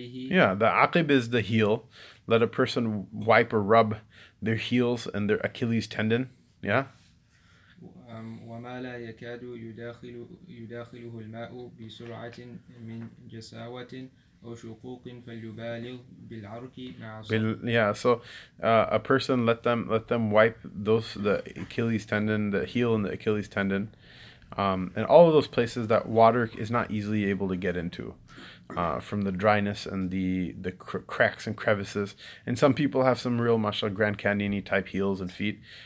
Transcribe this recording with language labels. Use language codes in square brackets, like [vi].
[en] Yeah, the aqib is the heel. Let a person wipe or rub their heels and their Achilles tendon. Yeah. [ar] وما لا يكاد يداخله الماء بسرعة من جساوة أو شقوق فليبالغ بالعرق مع [en] a person let them wipe those, the Achilles tendon, the heel and the Achilles tendon, and all of those places that water is not easily able to get into, from the dryness and the cracks and crevices. And some people have some real mashallah Grand Canyon-y type heels and feet.